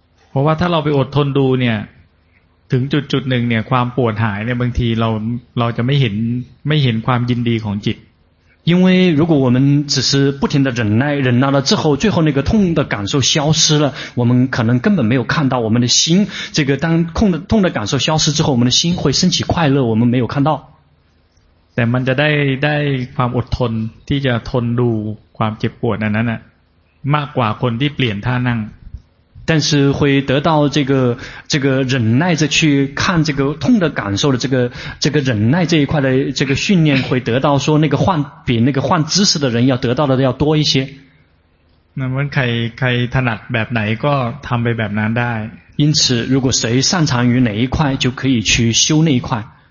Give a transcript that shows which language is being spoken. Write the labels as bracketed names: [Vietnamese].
[Thai] เพราะว่าถ้าเราไปอดทนดูเนี่ยถึงจุดหนึ่งเนี่ยความปวดหายเนี่ยบางทีเราจะไม่เห็นความยินดีของจิต [Chinese] 因为如果我们只是不停的忍耐忍耐了之后最后那个痛的感受消失了我们可能根本没有看到我们的心这个当痛的感受消失之后我们的心会升起快乐我们没有看到 [Thai] แต่มันจะได้ความอดทนที่จะทนดูความเจ็บปวดนั้นน่ะมากกว่าคนที่เปลี่ยนท่านั่ง [Chinese] 但是会得到这个忍耐着去看这个痛的感受的这个忍耐这一块的这个训练会得到说那个换比那个换姿势的人要得到的要多一些那么 [Thai] ใครถนัดแบบไหนก็ทำไปแบบนั้นได้ [Chinese] 因此如果谁擅长于哪一块就可以去修那一块